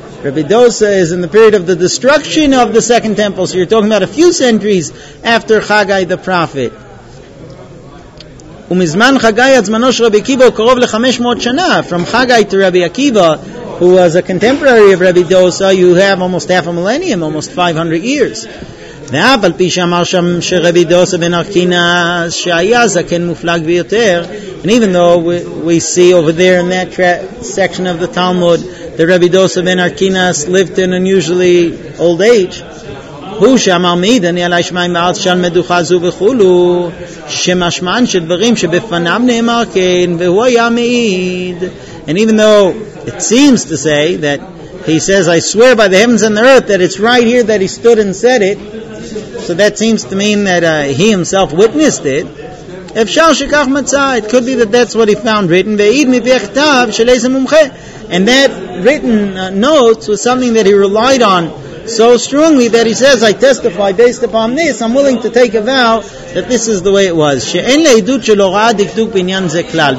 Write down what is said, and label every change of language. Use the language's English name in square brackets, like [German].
[English] Rabbi Dosa is in the period of the destruction of the Second Temple. So you're talking about a few centuries after Haggai the prophet. [Hebrew] ומזמן חגי עד זמנו של רבי עקיבא קרוב ל-500 שנה. [English] From Haggai to Rabbi Akiva, who was a contemporary of Rabbi Dosa, you have almost half a millennium, almost 500 years. [Hebrew] ואף על פי שאמר שם שרבי דוסה בן ארקינה שהיה זקן מופלג ביותר, [English] and even though we see over there in that section of the Talmud that Rabbi Dosa בן ארקינה lived in an unusually old age, [Hebrew] הוא שאמר מיד אני עלי שמיים בארץ שעל מדוכה זו וכולו, שמשמען של דברים שבפנם נאמר כן, והוא היה מיד. [English] And even though it seems to say that he says, I swear by the heavens and the earth that it's right here that he stood and said it, so that seems to mean that he himself witnessed it. [Hebrew] אפשר שכך מצא, [English] it could be that that's what he found written, [Hebrew] ועיד מביא הכתב של איזה מומחה. [English] And that written notes was something that he relied on so strongly that he says, I testify based upon this, I'm willing to take a vow that this is the way it was. [Hebrew] שאין לעדות שלא ראה דקדוק בעניין זה כלל.